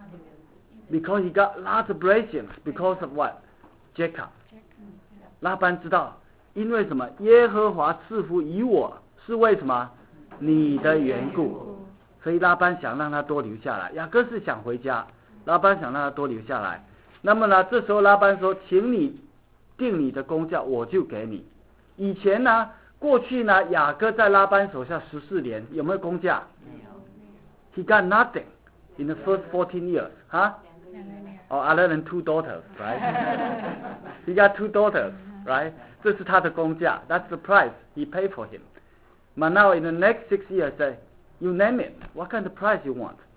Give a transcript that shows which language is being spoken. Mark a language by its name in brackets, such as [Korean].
[English] Because he got lots of blessings because of what? [Chinese] Jacob. 拉班知道，因为什么？耶和华赐福于我是为什么？你的缘故。所以拉班想让他多留下来。雅各是想回家，拉班想让他多留下来。那么呢？这时候拉班说：“请你定你的工价，我就给你。” 以前呢？过去呢，雅各在拉班手下14年，有没有工价？没有。 [English] He got nothing in the first 14 years, 哈？ [Chinese] 两个女儿。 [English] Other than two daughters, right? He got two daughters, right? [Chinese] 这是他的工价 [English] ，That's the price he paid for him. But now in the next 6 years, say, you name it, what kind of price you want?